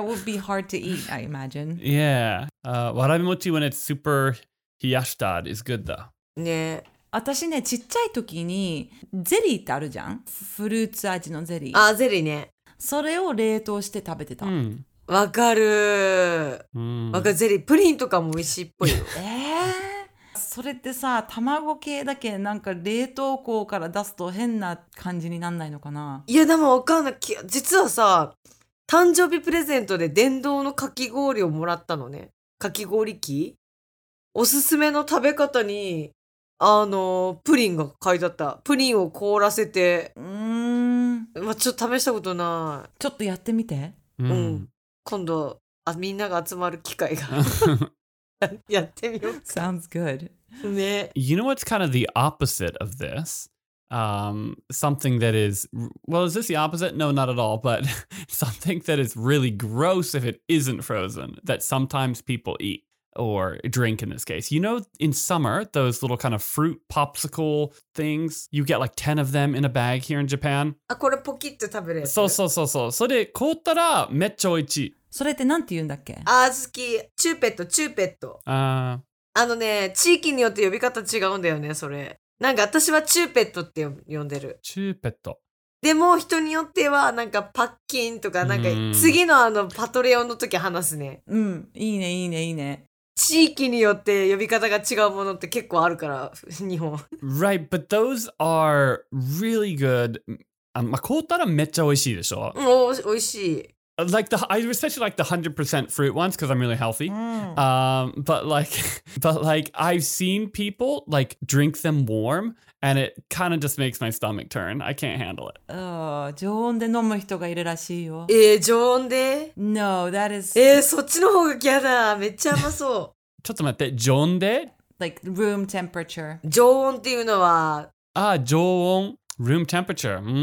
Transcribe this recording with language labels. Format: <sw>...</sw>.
<en>That would be hard to eat, I imagine. Yeah. Warabi mochi when it's super hiyashita is good, though. Yeah.</en> <ja>私ね、ちっちゃい時にゼリーってあるじゃん。フルーツ味のゼリー。あ、ゼリーね。それを冷凍して食べてた。うん。わかる。わかる。ゼリー。プリンとかも美味しいっぽいよ。それってさ、卵系だけなんか冷凍庫から出すと変な感じになんないのかな。いやでもわかんない、実はさ、誕生日プレゼントで電動のかき氷をもらったのね。かき氷機、おすすめの食べ方にあのプリンが書いてあった。プリンを凍らせて、まあ、ちょっと試したことない。ちょっとやってみて。うん、今度あみんなが集まる機会がやってみようか。</ja> <en>Sounds good. You know what's kind of the opposite of this? Something that is... Well, is this the opposite? No, not at all. But something that is really gross if it isn't frozen that sometimes people eat or drink in this case. You know, in summer, those little kind of fruit popsicle things, you get like 10 of them in a bag here in Japan.</en> <ja>あ、これポキッと食べれる。そうそうそうそう。それ凍ったらめっちゃおいしい。それってなんて言うんだっけ？あー好き。チューペット、チューペット。あのね、地域によって呼び方違うんだよね、それ。なんか私はチューペットって呼んでる。チューペット。でも人によってはなんかパッキンとか、なんか次のあのパトレオンの時話すね。うん、いいね、いいね、いいね。地域によって呼び方が違うものって結構あるから、日本。</ja> <en>Right, but those are really good.</en> <ja>まあ、凍ったらめっちゃ美味しいでしょ？うん、美味しい。</ja> <en>Like the, I especially like the 100% fruit ones because I'm really healthy. Mm. But I've seen people like drink them warm and it kind of just makes my stomach turn. I can't handle it.</en> <ja>Oh, 常温で飲む人がいるらしいよ。え、常温で？</ja> <en>No, that is...</en> <ja>え、そっちの方が嫌だ。めっちゃ甘そう。ちょっと待って、常温で？</ja> <en>Like room temperature.</en> <ja>常温っていうのは？あ、常温。</ja> <en>Room temperature.</en>